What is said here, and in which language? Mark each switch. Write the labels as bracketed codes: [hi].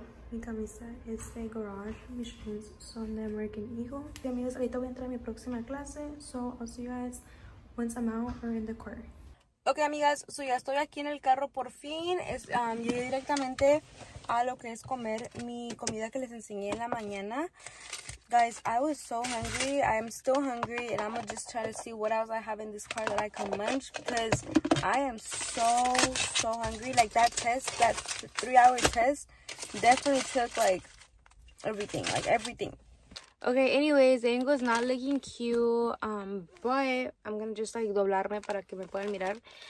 [es] Mi camisa es de Garage. Mis jeans son de American Eagle. Y amigos, ahorita voy a entrar a mi próxima clase. [en] So I'll see you guys once I'm out or in the car. [es] Ok amigas, so ya estoy aquí en el carro por fin. Llegué directamente a lo que es comer mi comida que les enseñé en la mañana. [en] Guys, I was so hungry. I am still hungry, and I'm gonna just try to see what else I have in this car that I can munch, because I am so hungry. Like that 3-hour test definitely took like everything. Okay, anyways, the angle is not looking cute, but I'm gonna just like [es] doblarme para que me puedan mirar.